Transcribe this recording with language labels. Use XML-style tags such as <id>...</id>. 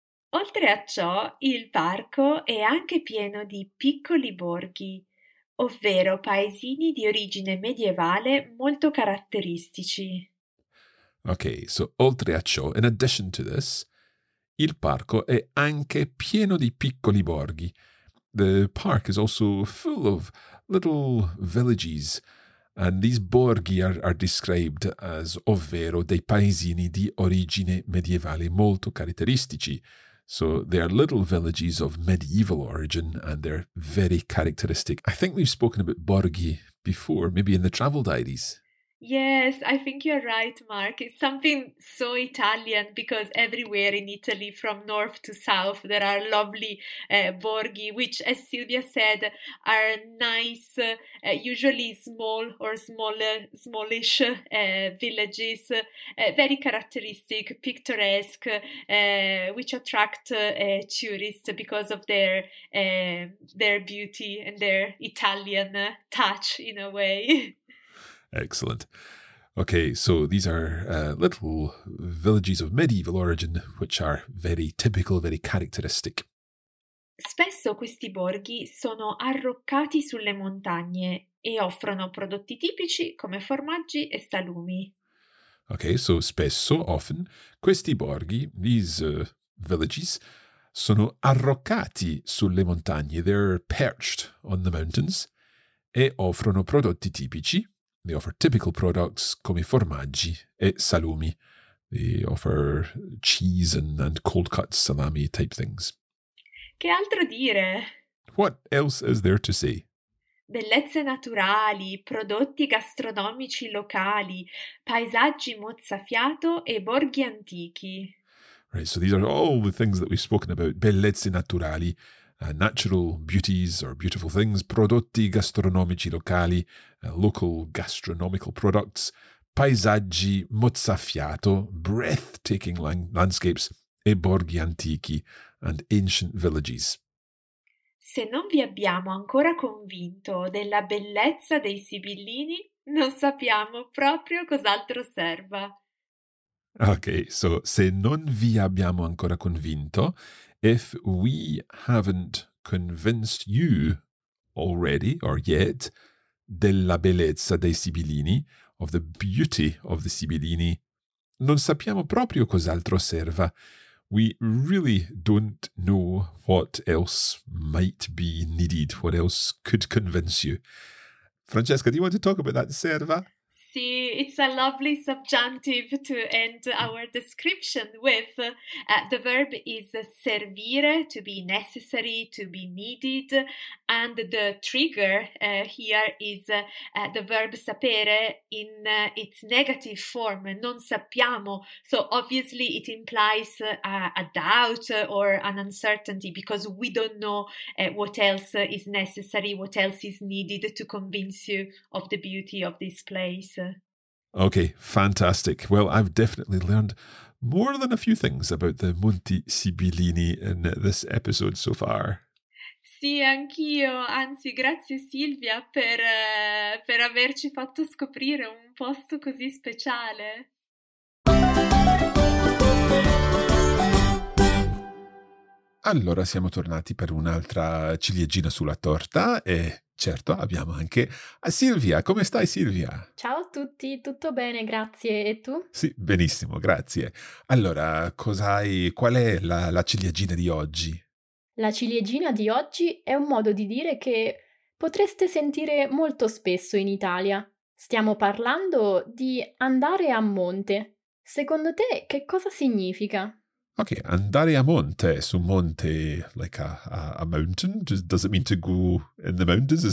<it>Oltre a ciò, il parco è anche pieno di piccoli borghi, ovvero paesini di origine medievale molto caratteristici. Okay, so oltre a ciò,</it> <en>in addition to this,</en> <it>il parco è anche pieno di piccoli borghi.</it> <en>The park is also full of little villages. And these borghi are described as,</en> <it>ovvero, dei paesini di origine medievale molto caratteristici.</it> <en>So they are little villages of medieval origin and they're very characteristic. I think we've spoken about borghi before, maybe in the travel diaries. Yes, I think you're right, Mark. It's something so Italian because everywhere in Italy, from north to south, there are lovely borghi, which, as Silvia said, are nice, usually small or smallish villages, very characteristic, picturesque, which attract tourists because of their beauty and their Italian touch, in a way. Excellent. Okay, so these are little villages of medieval origin, which are very typical, very characteristic.</en> <it>Spesso questi borghi sono arroccati sulle montagne e offrono prodotti tipici come formaggi e salumi. Okay, so spesso,</it> <en>often,</en> <it>questi borghi,</it> <en>these villages,</en> <it>sono arroccati sulle montagne.</it> <en>They're perched on the mountains</en> <it>e offrono prodotti tipici.</it> <en>They offer typical products</en> <it>come formaggi e salumi.</it> <en>They offer cheese and cold cut salami type things.</en> <it>Che altro dire?</it> <en>What else is there to say?</en> <it>Bellezze naturali, prodotti gastronomici locali, paesaggi mozzafiato e borghi antichi.</it> <en>Right, so these are all the things that we've spoken about.</en> <it>Bellezze naturali.</it> <en>Natural beauties or beautiful things,</en> <it>prodotti gastronomici locali,</it> <en>local gastronomical products,</en> <it>paesaggi mozzafiato,</it> <en>breathtaking landscapes,</en> <it>e borghi antichi</it> <en>and ancient villages.</en> <it>Se non vi abbiamo ancora convinto della bellezza dei Sibillini, non sappiamo proprio cos'altro serva.</it> <en>Okay, so</en> <it>se non vi abbiamo ancora convinto,</it> <en>if we haven't convinced you already or yet</en> <it>della bellezza dei Sibillini,</it> <en>of the beauty of the Sibillini,</en> <it>non sappiamo proprio cos'altro serva.</it> <en>We really don't know what else might be needed, what else could convince you. Francesca, do you want to talk about that serva? See, it's a lovely subjunctive to end our description with. The verb is servire, to be necessary, to be needed. And the trigger here is the verb sapere in its negative form, non sappiamo. So obviously it implies a doubt or an uncertainty because we don't know what else is necessary, what else is needed to convince you of the beauty of this place. Okay, fantastic. Well, I've definitely learned more than a few things about the Monti Sibillini in this episode so far.</en> <it>Sì, anch'io. Anzi, grazie Silvia per averci fatto scoprire un posto così speciale. Allora, siamo tornati per un'altra ciliegina sulla torta e certo, abbiamo anche a Silvia. Come stai, Silvia? Ciao a tutti, tutto bene, grazie. E tu? Sì, benissimo, grazie. Allora, qual è la ciliegina di oggi? La ciliegina di oggi è un modo di dire che potreste sentire molto spesso in Italia. Stiamo parlando di andare a monte. Secondo te che cosa significa?</it> <en>Ok,</en> <it>andare a monte, su monte,</it> <en>like a mountain, does it mean to go in the mountains?</en>